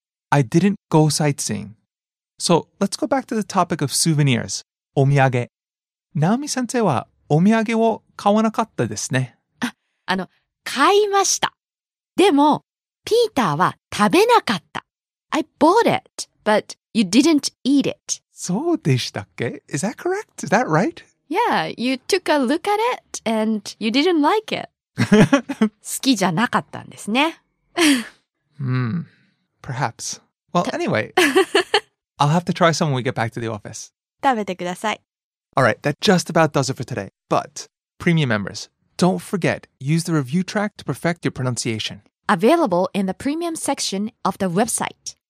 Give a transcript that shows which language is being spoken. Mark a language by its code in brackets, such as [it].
[en] I didn't go sightseeing. So, let's go back to the topic of souvenirs, お土産. [ja] Naomi-sensei はお土産を買わなかったですね。買いました。でも、ピーターは食べなかった。 [en] I bought it, but you didn't eat it. そうでしたっけ? Is that correct? Is that right? Yeah, you took a look at it and you didn't like it. [ja] 好きじゃなかったんですね。 [en] Perhaps. Well, anyway, I'll have to try some when we get back to the office. [ja] 食べてください。 [en] All right, that just about does it for today. But, premium members, don't forget, use the review track to perfect your pronunciation. Available in the premium section of the website.